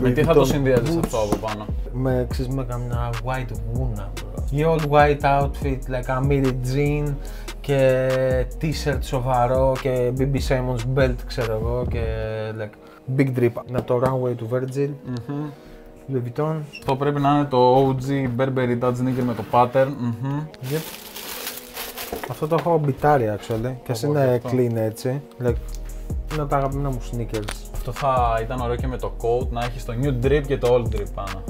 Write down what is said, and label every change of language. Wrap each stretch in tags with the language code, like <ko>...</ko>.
<el>Με τι θα το συνδυάζεις αυτό από πάνω. Με ξέρεις με καμιά white γούνα.</el> <en>The old white outfit, like a mini jean.</en> <el>Και t-shirt σοβαρό και BB Simons belt ξέρω εγώ και</el> <en>like big drip.</en> <el>Να το runway του Virgil. Louis Vuitton. Αυτό πρέπει να είναι το OG Burberry Dutch Nigger με το pattern.</el> <en>Yep.</en> <el>Αυτό το έχω μπιτάρει actually. Και ας είναι clean έτσι. Like, είναι τα αγαπημένα μου sneakers. Αυτό θα ήταν ωραίο και με το coat να έχεις το new drip και το old drip πάνω.</el>